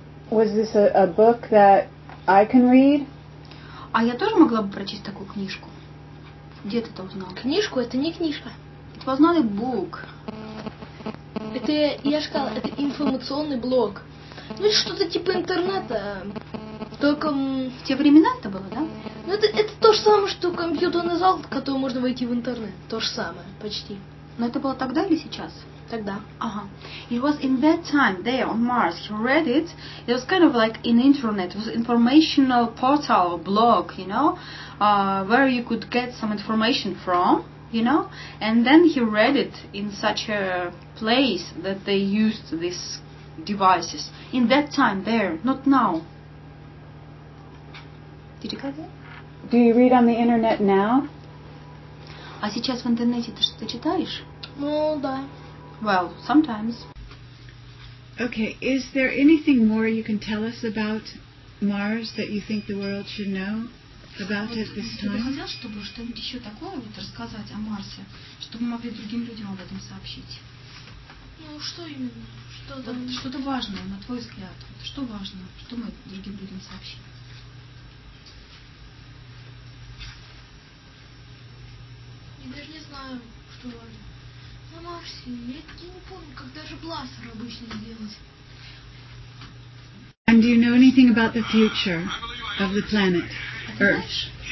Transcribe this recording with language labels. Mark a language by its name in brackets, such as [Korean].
[English] Was this a book that I can read? [Russian] А я тоже могла бы прочесть такую книжку. Где ты это узнала? Книжку? Это не книжка. [English] It was not a book. [Russian] Это я же сказала, это информационный блог. Ну, это что-то типа интернета. Только в те времена это было, да? Ну, это то же самое, что компьютерный зал, в который можно войти в интернет. То же самое, почти. Но это было тогда или сейчас? Тогда. Ага. [English] It was in that time, there on Mars. He read it. It was kind of like an internet. It was an informational portal or blog, you know, where you could get some information from, you know. And then he read it in such a place that they used this devices. In that time, there, not now. Did you get it? Do you read on the internet now? [Russian] А сейчас в интернете ты что-то читаешь? Ну, да. [English] Well, sometimes. Okay, is there anything more you can tell us about Mars that you think the world should know about at this time? [Russian] Я бы хотела, чтобы что-нибудь еще такое вот рассказать о Марсе, чтобы мы могли другим людям об этом сообщить. Ну, что именно? Что там? Вот, что-то важное, на твой взгляд. Вот, что важно? Что мы другим людям сообщим? Я даже не знаю, что важно. На Марсе. Я не помню, как даже бластер обычно делать. [English] And do you know anything about the future of the planet Earth?